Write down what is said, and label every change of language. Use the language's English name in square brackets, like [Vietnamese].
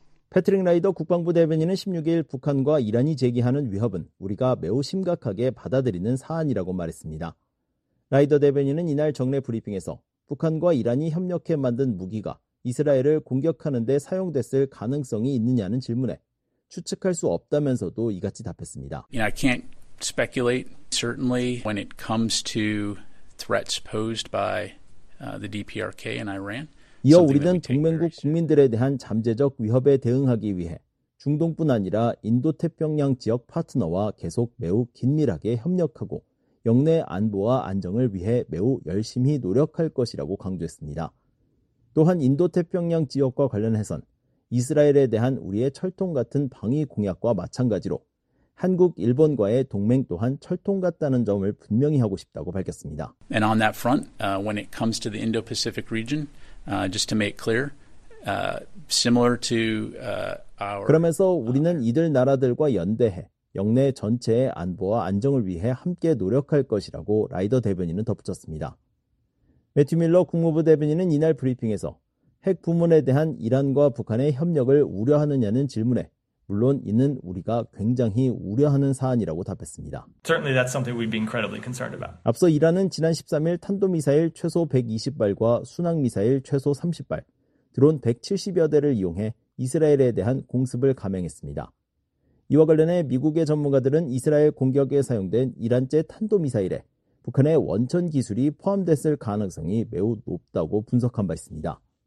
[Korean] 패트릭 라이더 국방부 대변인은 16일 북한과 이란이 제기하는 위협은 우리가 매우 심각하게 받아들이는 사안이라고 말했습니다. 라이더 대변인은 이날 정례 브리핑에서 북한과 이란이 협력해 만든 무기가 이스라엘을 공격하는 데 사용됐을 가능성이 있느냐는 질문에 추측할 수 없다면서도 이같이 답했습니다. [English] You know, I can't speculate. Certainly when it comes to threats posed by the DPRK and Iran. [Korean] 이어 우리는 동맹국 국민들에 대한 잠재적 위협에 대응하기 위해 중동뿐 아니라 인도태평양 지역 파트너와 계속 매우 긴밀하게 협력하고 영내 안보와 안정을 위해 매우 열심히 노력할 것이라고 강조했습니다. 또한 인도태평양 지역과 관련해선 이스라엘에 대한 우리의 철통 같은 방위 공약과 마찬가지로 한국, 일본과의 동맹 또한 철통 같다는 점을 분명히 하고 싶다고 밝혔습니다. [English] And on that front, when it comes to the Indo-Pacific region, just to make clear, similar to our [Korean] 그러면서 우리는 이들 나라들과 연대해 영내 전체의 안보와 안정을 위해 함께 노력할 것이라고 라이더 대변인은 덧붙였습니다. 매튜 밀러 국무부 대변인은 이날 브리핑에서 핵 부문에 대한 이란과 북한의 협력을 우려하느냐는 질문에 물론 이는 우리가 굉장히 우려하는 사안이라고 답했습니다. [English] Certainly that's something we'd be incredibly concerned about. [Korean] 앞서 이란은 지난 13일 탄도미사일 최소 120발과 순항미사일 최소 30발, 드론 170여 대를 이용해 이스라엘에 대한 공습을 감행했습니다. 이와 관련해 미국의 전문가들은 이스라엘 공격에 사용된 이란제 탄도미사일에 북한의 원천 기술이 포함됐을 가능성이 매우 높다고 분석한 바 있습니다.